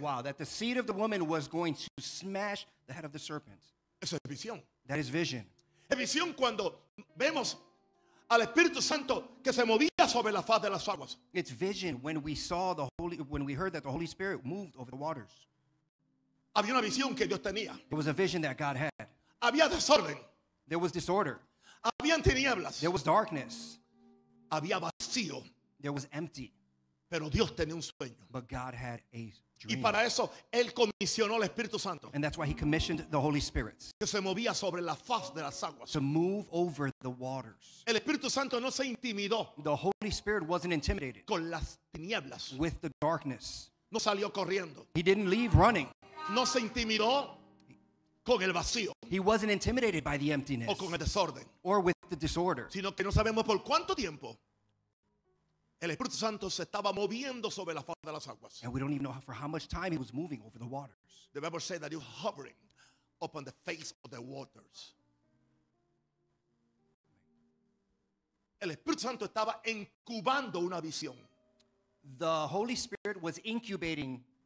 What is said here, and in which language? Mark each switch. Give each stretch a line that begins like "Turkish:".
English: Wow, that the seed of the woman was going to smash the head of the serpent.
Spanish: Eso es visión.
English: That is vision.
Spanish: Es visión cuando vemos al Espíritu Santo que se movía sobre la faz de las aguas.
English: It's vision when we heard that the Holy Spirit moved over the waters.
Spanish: Había una visión que Dios tenía.
English: There was a vision that God had.
Spanish: Había desorden.
English: There was disorder.
Spanish: Habían tinieblas.
English: There was darkness.
Spanish: Había vacío.
English: There was empty.
Spanish: Pero Dios tenía un sueño.
English: But God had a dream.
Spanish: Y para eso, Él comisionó al Espíritu Santo.
English: And that's why He commissioned the Holy Spirit.
Spanish: Que se movía sobre la faz de las aguas.
English: To move over the waters.
Spanish: El Espíritu Santo no se intimidó.
English: The Holy Spirit wasn't intimidated.
Spanish: Con las tinieblas.
English: With the darkness.
Spanish: No salió corriendo.
English: He didn't leave running.
Spanish: No se intimidó con el vacío.
English: He wasn't intimidated by the emptiness.
Spanish: O con el desorden.
English: Or with the disorder.
Spanish: Sino que no sabemos por cuánto tiempo el Espíritu Santo se estaba moviendo sobre la faz de las aguas.
English: And we don't even know for how much time he was moving over the waters. The Bible said that he was hovering upon the face of the waters.
Spanish: El Espíritu Santo estaba incubando una visión.
English: The Holy Spirit was incubating